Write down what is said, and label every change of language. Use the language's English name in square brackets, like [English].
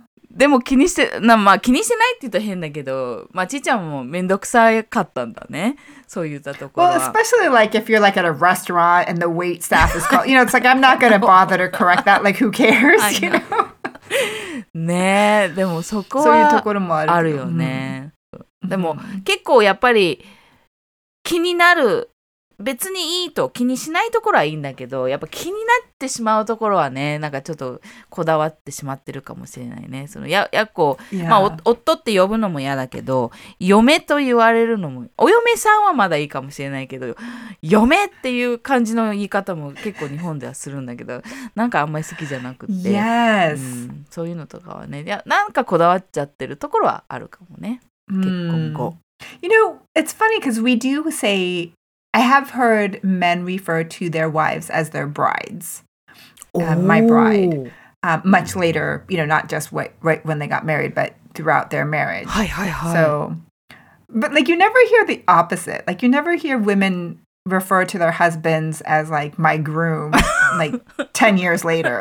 [Japanese] でも気にして、気にしてないって言ったら変だけど、まあ、ちーちゃんもめんどくさかったんだね。そういったところは。 [English] Well, especially like if you're like at a restaurant and the wait staff is called, you know, it's like I'm not gonna bother to correct that, like who cares, you know? [Japanese] ねえ、でもそこはそういうところもあるよね。でも結構やっぱり気になる、別にいいと気にしないところはいいんだけど、やっぱ気になってしまうところはね、なんかちょっとこだわってしまってるかもしれないね。そのやっこ、 [English] yeah. [Japanese] まあ夫って呼ぶのも嫌だけど、嫁と言われるのも、お嫁さんはまだいいかもしれないけど、嫁っていう感じの言い方も結構日本ではするんだけど、なんかあんまり好きじゃなくて、 [English] yes. [Japanese] そういうのとかはね、なんかこだわっちゃってるところはあるかもね、結婚後。 [English] You know, it's funny because we do say... I have heard men refer to their wives as their brides, my bride, much later, you know, not just right when they got married, but throughout their marriage. [Japanese] Hi, hi, hi. [English] So, but like you never hear the opposite. Like you never hear women refer to their husbands as like my groom, like 10 years later.